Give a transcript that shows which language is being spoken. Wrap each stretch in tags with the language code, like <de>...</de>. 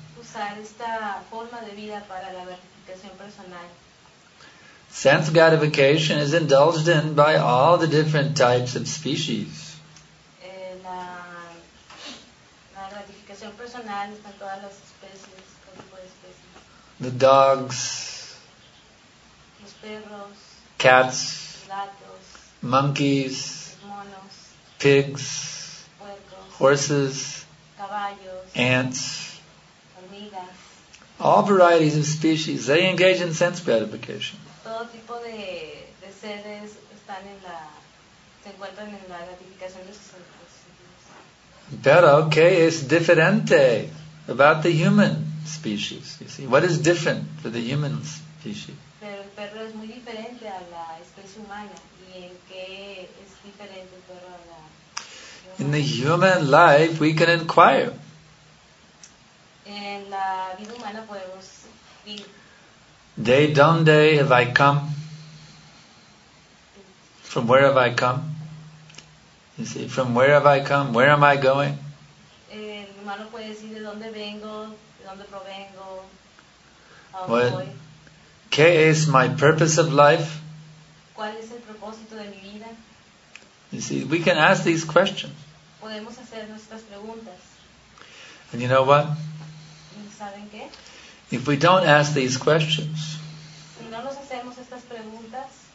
<es>Usar esta forma de vida para la gratificación personal.</es> <en>Sense gratification is indulged in by all the different types of species.</en> <es>La gratificación personal está en todas las especies, todo tipo de especies.</es> <en>The dogs,</en> <es>los perros,</es> <en>cats,</en> <es>gatos,</es> <en>monkeys,</en> <es>monos,</es> <en>pigs,</en> <es>puercos,</es> <en>horses, ants,</en> <es>hormigas,</es> <en>all varieties of species, they engage in sense gratification.</en> <es>Todo tipo de seres están en la, se encuentran en la gratificación de sus sentidos. Pero, ¿qué es diferente</es> <en>about the human species? You see, what is different for the human species?</en> <es>Pero el perro es muy diferente a la especie humana. ¿Y en qué es diferente el perro a la...</es> <en>In the human life, we can inquire.</en> <es>En la vida humana podemos ir. De donde</es> <en>have I come? From where have I come? You see, from where have I come? Where am I going?</en> <es>El humano puede decir de dónde vengo, de dónde provengo, a dónde voy. ¿Qué es</es> <en>my purpose of life?</en> <es>¿Cuál es el propósito de mi vida?</es> <en>You see, we can ask these questions.</en> <es>Podemos hacer nuestras preguntas.</es> <en>And you know what?</en> <es>¿Saben qué?</es> <en>If we don't ask these questions,</en> <es>si no nos hacemos estas preguntas,</es>